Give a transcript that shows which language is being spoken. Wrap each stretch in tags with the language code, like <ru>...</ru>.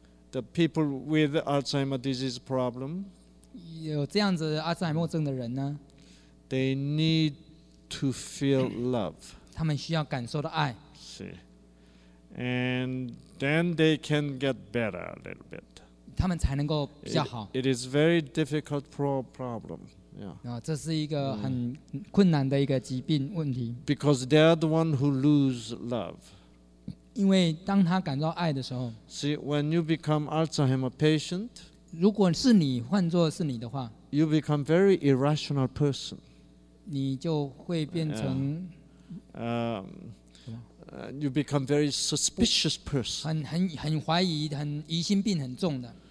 <en>The people with Alzheimer's disease problem,</en> <zh>有这样子阿兹海默症的人呢</zh> <en>？They need to feel love.</en> <zh>他们需要感受到爱。</zh> <en>See, and then they can get better a little bit.</en> <zh>他们才能够比较好。</zh> <en>It is very difficult problem. Yeah.</en> <zh>这是一个很困难的一个疾病问题。</zh> <en>Because they're the one who lose love.</en> <zh>因为当他感到爱的时候</zh> <en>，See when you become Alzheimer patient，</en> <zh>如果是你换作是你的话</zh> <en>，You become very irrational person，</en> <zh>你就会变成，</zh> <en>You become very suspicious person，</en> <zh>很怀疑，很疑心病很重的。</zh>